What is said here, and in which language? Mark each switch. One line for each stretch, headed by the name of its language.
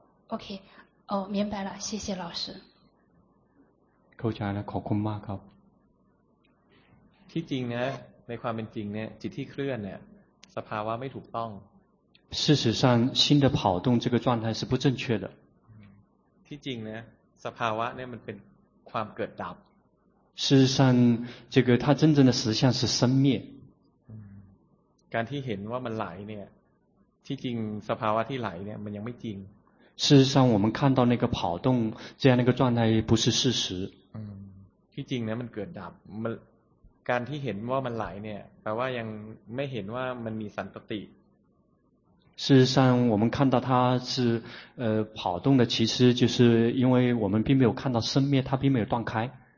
Chinese: OK 哦、oh, 明白了谢谢老师扣下来了
Thai: ขอบคุณมากครับ ที่จริงนะในความเป็นจริงเนี่ยจิตที่เคลื่อนเนี่ยสภาวะไม่ถูกต้อง
Chinese: 事实上心的跑动这个状态是不正确的
Thai: ที่จริงนะสภาวะเนี่ยมันเป็นความเกิดดับ
Chinese: 事实上这个它真正的实相是生灭
Thai: การที่เห็นว่ามันไหลเนี่ยที่จริงสภาวะที่ไหลเนี่ยมันยังไม่จริง
Chinese: 事实上我们看到那个跑动这样的一个状态不是事实
Thai: ที่จริงเนี่ยมันเกิดดับมันการที่เห็นว่ามันไหลเนี่ยแปลว่ายังไม่เห็นว่ามันมีสันตติ
Chinese: 事实上我们看到它是跑动的其实就是因为我们并没有看到生灭它并没有断开